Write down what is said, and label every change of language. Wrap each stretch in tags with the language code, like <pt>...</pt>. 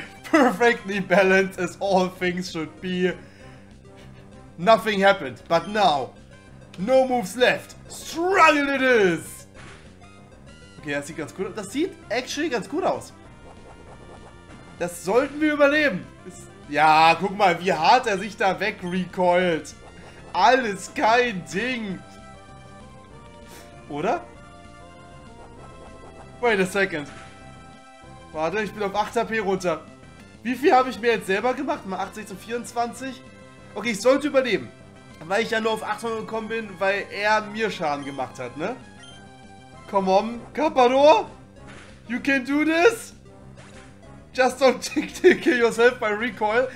<en>Perfectly balanced as all things should be. Nothing happened, but now. No moves left. Struggle it is.</en> <de>Okay, das sieht ganz gut aus. Das sieht actually ganz gut aus. Das sollten wir überleben. Ja, guck mal, wie hart er sich da wegrecoilt. Alles kein Ding. Oder?</de> <en>Wait a second.</en> <de>Warte, ich bin auf 8 HP runter. Wie viel habe ich mir jetzt selber gemacht? Mal 80 zu 24? Okay, ich sollte überleben. Weil ich ja nur auf 800 gekommen bin, weil er mir Schaden gemacht hat, ne?</de> <en>Come on, Kapador. You can do this. Just don't kill yourself by recoil.</en>